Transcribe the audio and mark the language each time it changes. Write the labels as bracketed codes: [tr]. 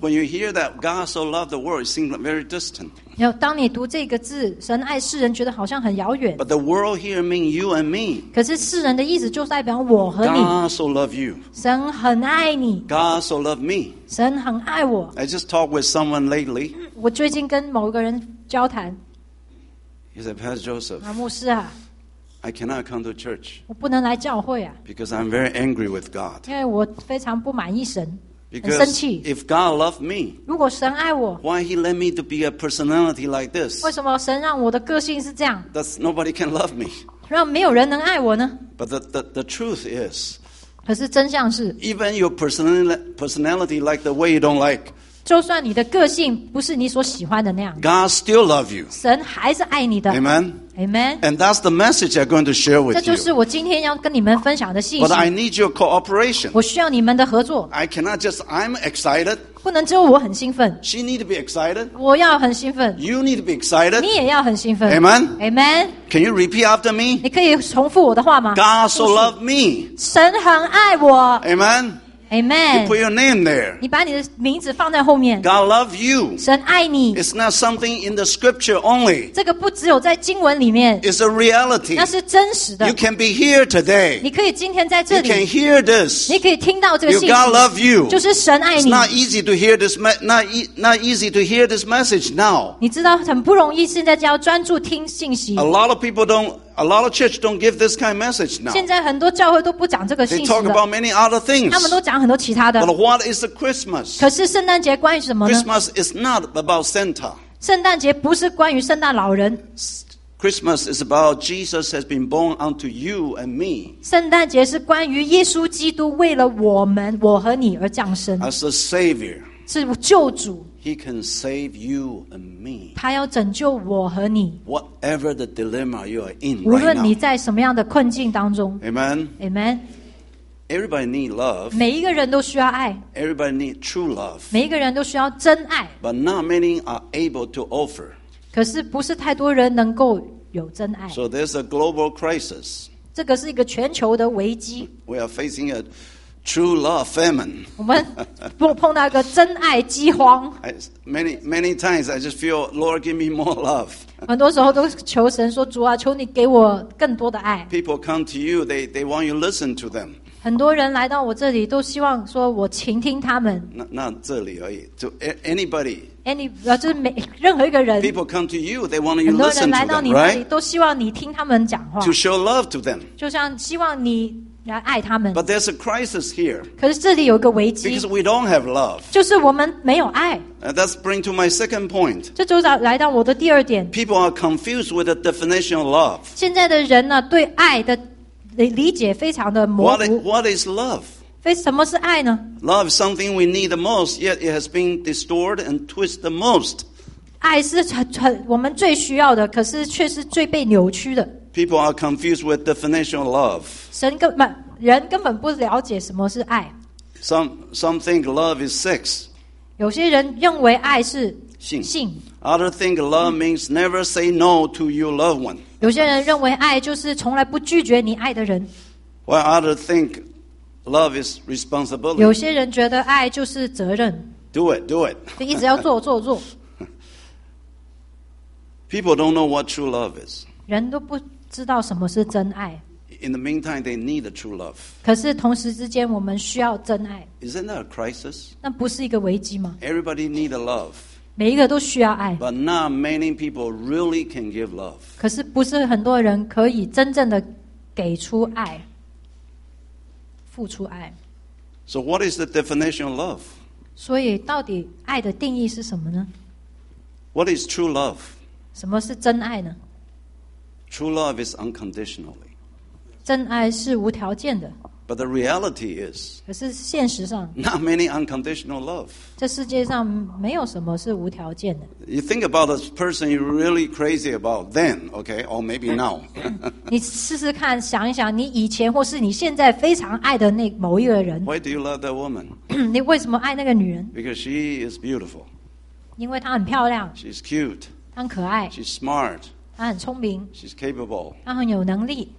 [en] When you hear that God so loved the world, it seems very distant. [zh] 当你读这个字，神爱世人，觉得好像很遥远。 [en] But the world here means you and me. [zh] 可是世人的意思就代表我和你。 [en] God so loved you. [zh] 神很爱你。 [en] God so loved me. [zh] 神很爱我。 [en] I just talked with someone lately. [zh] 我最近跟某个人交谈。 [en] He said, Pastor Joseph. [zh] 牧师啊。 [en] I cannot come to church. [zh] 我不能来教会啊。 [en] Because I'm very angry with God. [zh] 因为我非常不满意神。 [en] Because if God loved me, [zh] 如果神爱我, [en] why he let me to be a personality like this? [zh] 为什么神让我的个性是这样? [en] That's, nobody can love me. [zh] 让没有人能爱我呢? [en] But the truth is, [zh] 可是真相是, [en] even your personality like the way you don't like, [zh] 就算你的个性不是你所喜欢的那样, [en] God still loves you. [zh] 神还是爱你的。 [en] Amen? Amen. And that's the message I'm going to share with you. But I need your cooperation. I cannot just, I'm excited. She need to be excited. You need to be excited. Amen. Amen. Can you repeat after me? [zh] 你可以重复我的话吗? [en] God so loved me. [zh] 神很爱我。 [en] Amen. Amen. You put your name there. [zh] 你把你的名字放在后面。 [en] God love you. [zh] 神爱你。 [en] It's not something in the scripture only. [zh] 这个不只有在经文里面。 [en] It's a reality. [zh] 那是真实的。 [en] You can be here today. [zh] 你可以今天在这里。 [en] You can hear this. [zh] 你可以听到这个信息。 [en] God love you. [zh] 就是神爱你。 [en] It's not easy to hear this message now. [zh] 你知道很不容易现在就要专注听信息。 [en] A lot of church don't give this kind of message now. [zh] 现在很多教会都不讲这个信息了。 [en] They talk about many other things. [zh] 他们都讲很多其他的。 [en] But what is the Christmas? [zh] 可是圣诞节关于什么呢? [en] Christmas is not about Santa. [zh] 圣诞节不是关于圣诞老人。 [en] Christmas is about Jesus has been born unto you and me. [zh] 圣诞节是关于耶稣基督为了我们，我和你而降生。 [en] As a Savior. [zh] 是救主。 [en] He can save you and me. [zh] 他要拯救我和你。 [en] Whatever the dilemma you are in right now. [zh] 无论你在什么样的困境当中。 [en] Amen. [zh] Amen. [en] Everybody need love. [zh] 每一个人都需要爱。 [en] Everybody need true love. [zh] 每一个人都需要真爱。 [en] But not many are able to offer. [zh] 可是不是太多人能够有真爱。 [en] So there's a global crisis. [zh] 这个是一个全球的危机。 [en] We are facing a true love famine. [zh] 我们碰到一个真爱饥荒。 [en] Many times I just feel, Lord, give me more love. [zh] 很多时候都求神说，主啊，求你给我更多的爱。 [en] People come to you, they want you to listen to them. [zh] 很多人来到我这里都希望说我倾听他们。那这里而已, [en] to anybody. [zh] 就是任何一个人。 [en] People come to you, they want you to listen to them, right? [zh] 都希望你听他们讲话。 [en] To show love to them. [zh] 就像希望你。 [en] But there's a crisis here. [zh] 可是这里有一个危机, [en] because we don't have love. [zh] 就是我们没有爱。 [en] That's bring to my second point. [zh] 这就来到我的第二点。 [en] People are confused with the definition of love. [zh] 现在的人呢, 对爱的理解非常的模糊。 [en] What is love? [zh] 什么是爱呢? [en] Love is something we need the most, yet it has been distorted and twisted the most. [zh] 爱是我们最需要的, 可是却是最被扭曲的。 [en] People are confused with definition of love. [zh] 人根本不了解什么是爱。Some [en] think love is sex. [zh] 有些人认为爱是性。 [en] Others think love means never say no to your loved one. [zh] 有些人认为爱就是从来不拒绝你爱的人。While [en] others think love is responsibility. [zh] 有些人觉得爱就是责任。Do [en] it, do it. [zh] 就一直要做。 [en] People don't know what true love is. [zh] 人都不 知道什么是真爱。 [en] In the meantime, they need the true love. [zh] 可是同时之间，我们需要真爱。 [en] Isn't that a crisis? [zh] 那不是一个危机吗？ [en] Everybody need a love. [zh] 每一个都需要爱。 [en] But not many people really can give love. [zh] 可是不是很多人可以真正的给出爱， 付出爱。 [en] So what is the definition of love? [zh] 所以到底爱的定义是什么呢？ [en] What is true love? [zh] 什么是真爱呢？ [en] True love is unconditionally. [zh] 真爱是无条件的。 [en] But the reality is, [zh] 可是现实上 [en] not many unconditional love. [zh] 这世界上没有什么是无条件的。 [en] You think about a person you're really crazy about then, okay, or maybe now. [zh] 你试试看，想一想，你以前或是你现在非常爱的那某一个人。 [en] Why do you love that woman? [zh] 你为什么爱那个女人 [en] ？Because she is beautiful. [zh] 因为她很漂亮。 [en] She's cute. [zh] 她很可爱。 [en] She's smart. [zh] 她很聪明 [en] She's capable. [zh] 她很有能力